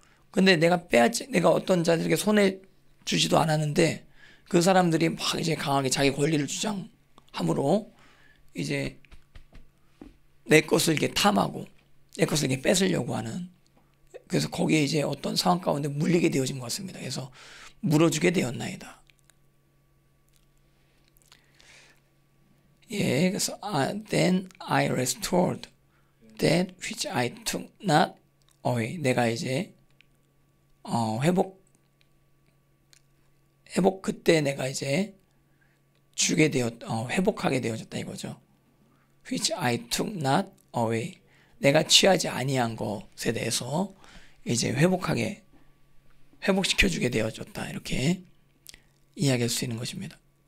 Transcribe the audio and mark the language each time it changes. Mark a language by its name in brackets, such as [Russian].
[Korean] 근데 내가 어떤 자들에게 손해 주지도 않았는데 그 사람들이 막 이제 강하게 자기 권리를 주장함으로 이제 내 것을 이렇게 탐하고 내 것을 이렇게 뺏으려고 하는 그래서 거기에 이제 어떤 상황 가운데 물리게 되어진 것 같습니다. 그래서 물어주게 되었나이다. 예, 그래서 [English] then I restored that which I took not away. [Korean] 내가 이제 회복 그때 내가 이제 주게 되었 회복하게 되어졌다 이거죠. [English] Which I took not away. [Korean] 내가 취하지 아니한 것에 대해서 이제 회복시켜 주게 되어졌다 이렇게 이야기할 수 있는 것입니다.